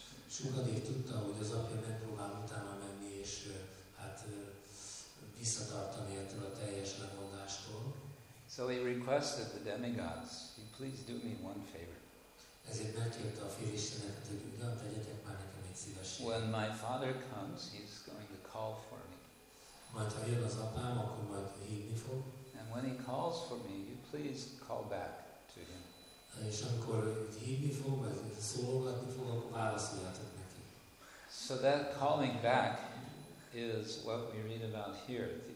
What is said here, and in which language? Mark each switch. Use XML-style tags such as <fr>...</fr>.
<hu>Sukadeva tudta, hogy az apja megpróbál utána menni és visszatartani ettől a teljes lemondástól.</hu> <en>So he requested the demigods, "Please do me one favor."</en> <hu>Ezért megkérte a fél istenet, hogy ugyan tegyetek már nekem egy szívességet.</hu> <en>When my father comes, he's going to call for me.</en> <hu>Majd ha jön az apám, akkor majd hívni fog.</hu> <en>And when he calls for me, you please call back to him.</en> <hu>És amikor hívni fog, vagy szólogatni fog, akkor válaszoljátok neki.</hu> <en>So that calling back is what we read about here.</en>